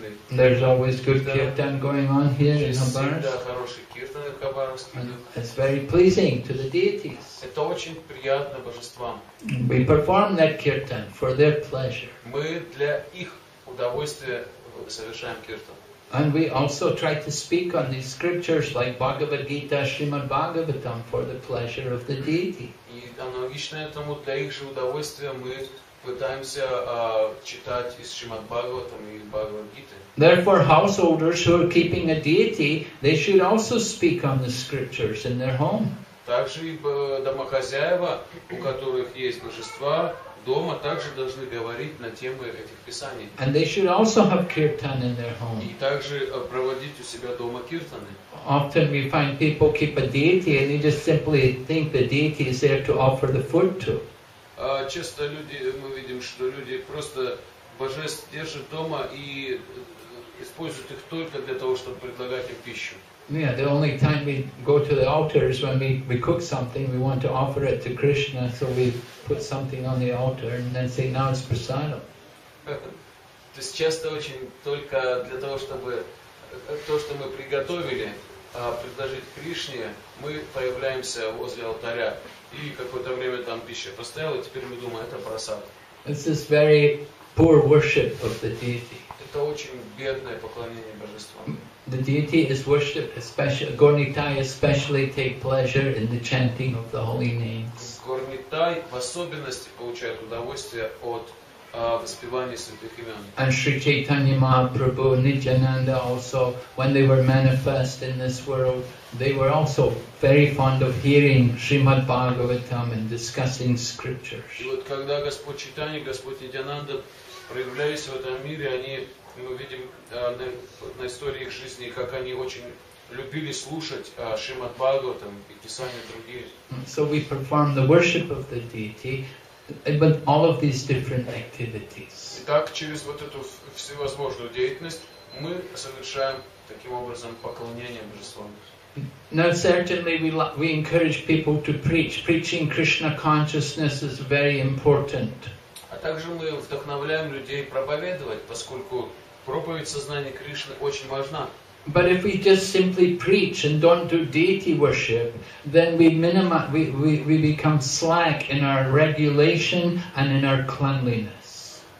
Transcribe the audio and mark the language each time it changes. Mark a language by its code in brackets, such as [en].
[en] There's always good kirtan going on here in Хабаровск. [ru] Всегда хороший киртан в Хабаровске. [en] It's very pleasing to the deities. [ru] Это очень приятно божествам. [en] We perform that kirtan for their pleasure. [ru] Мы для их удовольствия совершаем киртан. [en] And we also try to speak on these scriptures like Bhagavad Gita, Srimad Bhagavatam for the pleasure of the deity. [ru] И аналогично этому, для их же удовольствия мы пытаемся читать из Шримад Бхагаватам и Бхагавад Гиты. [en] Therefore, householders who are keeping a deity, they should also speak on the scriptures in their home. [ru] Также и домохозяева, у которых есть божества, дома также должны говорить на темы этих писаний. [en] And they should also have kirtan in their home. [ru] И также проводить у себя дома киртаны. [en] Often we find people keep a deity and they just simply think the deity is there to offer the food to. [ru] Часто люди, мы видим, что люди просто божеств держат дома и используют их только для того, чтобы предлагать им пищу. [en] Yeah, the only time we go to the altar is when we cook something, we want to offer it to Krishna, so we put something on the altar and then say, now it's prasadam. [ru] То есть часто очень только для того, чтобы то, что мы приготовили, предложить Кришне, мы появляемся возле алтаря и какое-то время там пища поставила, теперь мы думаем, это прасадам. [en] This is very poor worship of the deity. [ru] Это очень бедное поклонение божеству. [en] The deity is worshipped, especially Gornitai especially take pleasure in the chanting of the holy names. [ru] Gornitai в особенности получает удовольствие от воспевания святых имен. [en] And Sri Chaitanya Mahaprabhu, Nityananda also, when they were manifest in this world, they were also very fond of hearing Srimad Bhagavatam and discussing scriptures. [ru] И вот когда Господь Чайтанья, Господь Нитьянанда проявлялись в этом мире, они мы видим на истории их жизни, как они очень любили слушать Шримад Бхагаватам и писания другие. [en] So we perform the worship of the deity, but all of these different activities. [ru] Итак, через вот эту всевозможную деятельность мы совершаем таким образом поклонение божествам. [en] Now, certainly we encourage people to preach. Preaching Krishna consciousness is very important. [ru] А также мы вдохновляем людей проповедовать, поскольку проповедь сознания Кришны очень важна. [en] But if we just simply preach and don't do deity worship, then we become slack in our regulation and in our cleanliness.